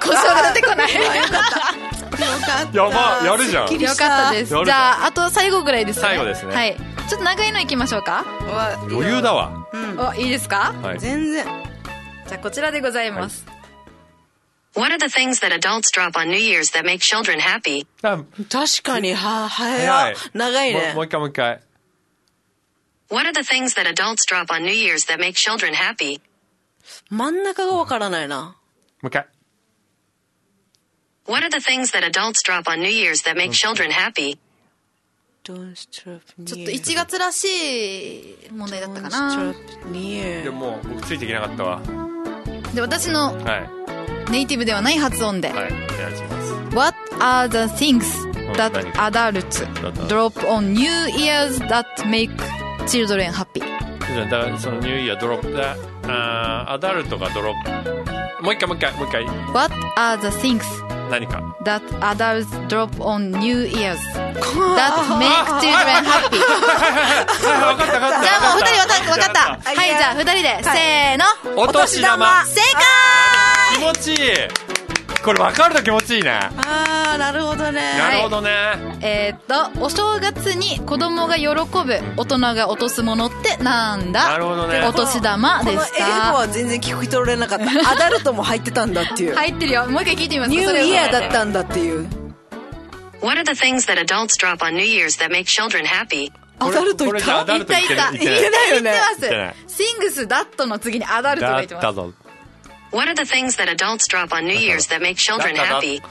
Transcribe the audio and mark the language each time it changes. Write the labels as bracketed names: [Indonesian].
[Japanese] 故障が出てこない。よかった。やばやるじゃん、よかったです。じゃああと最後ぐらいですね、最後ですね、はい、ちょっと長いのいきましょうか。わ、余裕だわ、うん、いいですか、はい、全然。じゃあこちらでございます、はい。 [English] What are the things that adults drop on New Year's that make children happy? [Japanese] 確かに、はぁ、早い。長いね。もう一回。 [English] What are the things that adults drop on New Year's that make children happy? [Japanese] 真ん中がわからないな。もう一回。 [English] What are the things that adults drop on New Year's that make children happy? Don't drop near. [Japanese] ちょっと1月らしい問題だったかな。 [English] Don't drop near. [Japanese] でも、もう僕ついていけなかったわ。で、私の。はい。ネイティブではない発音で、はい、 [English] What are the things that adults drop on New Year's that make children happy? [Japanese] だからそのニューイヤードロップだ、アダルトがドロップ。もう一回。 [English] What are the things [Japanese] 何か [English] that adults drop on New Year's that make children happy? [Japanese] わかった。じゃあもう二人わかった。はい、じゃあ二人で、はい、せーの、お年玉。正解。気持ちいい。これ分かると気持ちいいね。ああ、なるほどね。なるほどね。はい、お正月に子供が喜ぶ、大人が落とすものってなんだ。なるほどね。お年玉でした。この英語は全然聞き取れなかった。アダルトも入ってたんだっていう。入ってるよ。もう一回聞いてみます。ニューイヤーだったんだっていう。 [English] What are the things that adults drop on New Year's that make children happy? [Japanese] アダルト言った。言ってます。Things that の次にアダルトが言ってます。 [English] What are the things that adults drop on New Year's that make children happy?